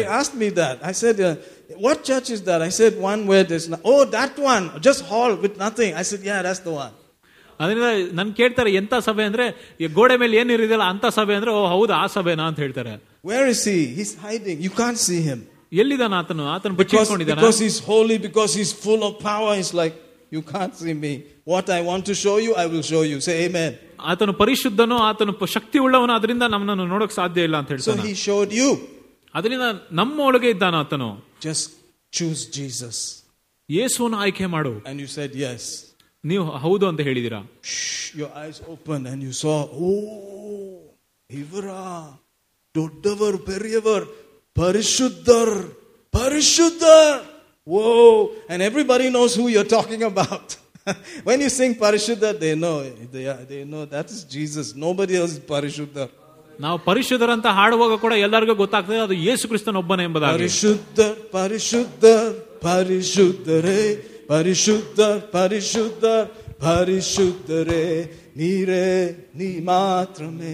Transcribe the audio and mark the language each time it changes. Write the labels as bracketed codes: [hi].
[en] They asked me that. I said, what church is that? I said, one where there's no... Oh, that one. Just hall with nothing. I said, yeah, that's the one. [kn] ಅದರಿಂದ ನನ್ ಕೇಳ್ತಾರೆ, ಎಂತ ಸಭೆ ಅಂದ್ರೆ ಗೋಡೆ ಮೇಲೆ ಏನಿರಿದಿಲ್ಲ ಅಂತ ಸಭೆ ಅಂದ್ರೆ, ಓ ಹೌದು ಆ ಸಭೆನಾ ಅಂತ ಹೇಳ್ತಾರೆ. [en] Where is he? He's hiding. You can't see him. [kn] ಎಲ್ಲಿದ್ದಾನ ಆತನು? ಆತನ ಬಚ್ಚಿಟ್ಕೊಂಡಿದ್ದಾನೆ. [en] Because he's holy, because he's full of power. He's like, you can't see me. What I want to show you, I will show you. Say amen. [kn] ಆತನು ಪರಿಶುದ್ಧನು, ಆತನು ಶಕ್ತಿ ಉಳ್ಳವನು, ಅದರಿಂದ ನಮ್ಮನ್ನು ನೋಡಕ್ ಸಾಧ್ಯ ಇಲ್ಲ ಅಂತ ಹೇಳ್ತಾನೆ. [en] So he showed you. [kn] ಅದರಿಂದ ನಮ್ಮ ಒಳಗೆ ಇದ್ದಾನ ಆತನು. [en] Just choose Jesus. [kn] ಯೇಸುವನ್ನು ಆಯ್ಕೆ ಮಾಡು. [en] And you said yes. [kn] ನೀವು ಹೌದು ಅಂತ ಹೇಳಿದಿರಾ. [en] Your eyes opened and you saw, oh, [kn] ivara doddavar periyavar parishuddar parishuddar, [en] whoa. And everybody knows who you're talking about. When you sing parishuddha, they know that is Jesus. Nobody else is parishuddha. [kn] ನಾವು ಪರಿಶುದ್ಧರ ಅಂತ ಹಾಡುವಾಗ ಕೂಡ ಎಲ್ಲರಿಗೂ ಗೊತ್ತಾಗ್ತದೆ ಅದು ಯೇಸು ಕ್ರಿಸ್ತನ ಒಬ್ಬನೇ ಎಂಬುದಾಗಿ. ಪರಿಶುದ್ಧ ಪರಿಶುದ್ಧ ಪರಿಶುದ್ಧರೇ ಪರಿಶುದ್ಧ ಪರಿಶುದ್ಧ ಪರಿಶುದ್ಧರೇ ನೀರೇ ನೀ ಮಾತ್ರ.